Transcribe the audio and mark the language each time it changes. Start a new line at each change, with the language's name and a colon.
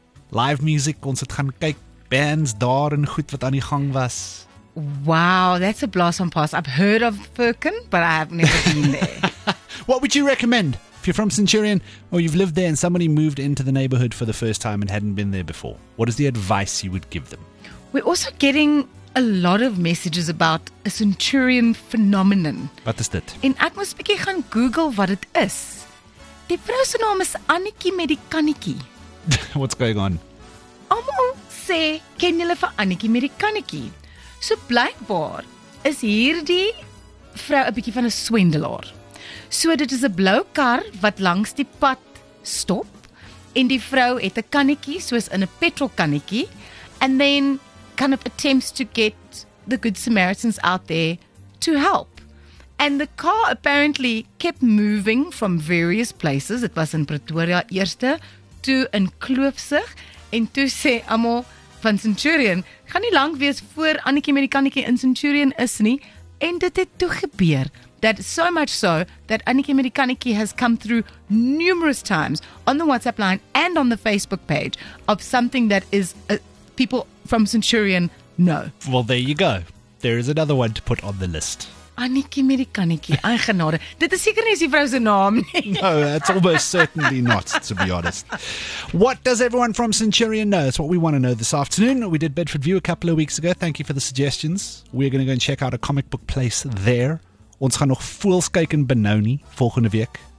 English: Live music,
Afrikaans: ons het gaan kyk, bands daar en goed wat aan die gang was.
English: Wow, that's a blast from past. I've heard of Firkin, but I have never been there. What would you recommend if you're from Centurion or you've lived there and somebody moved into the neighborhood for the first time and hadn't been there before? What is the advice you would give them? We're also getting a lot of messages about a Centurion phenomenon.
Afrikaans: Wat is dit? En ek moes bietjie gaan Google wat dit is. Die vrou se naam is Annetjie met die kannetjie.
English: What's going on?
Afrikaans: Almal sê ken hulle vir Annetjie met die kannetjie. So blykbaar is hierdie vrou 'n bietjie van 'n swendelaar. So dit is 'n blou kar wat langs die pad stop en die vrou het 'n kannetjie soos in 'n petrolkannetjie.
English: And then kind of attempts to get the Good Samaritans out there to help. And the car apparently kept moving from various places. It was in Pretoria
Afrikaans: eerste, toe in
English: Kloofsig.
Afrikaans: En toe sê almal van Centurion, gaan nie lang wees voor Annetjie met die kannetjie in Centurion is nie. En dit het toe gebeur.
English: That so much so that Annetjie met die kannetjie has come through numerous times on the WhatsApp line and on the Facebook page of something that is people from Centurion know. Well, there you go. There is another one to put on the list.
Afrikaans: Annetjie met die kannetjie. Ai genade. Dit is seker nie sy vrou se naam nie.
English: No, that's almost certainly not, to be honest. What does everyone from Centurion know? That's what we want to know this afternoon. We did Bedford View a couple of weeks ago. Thank you for the suggestions. We're going to go and check out a comic book place there.
Afrikaans: Ons gaan nog voels kyk in Benoni volgende week.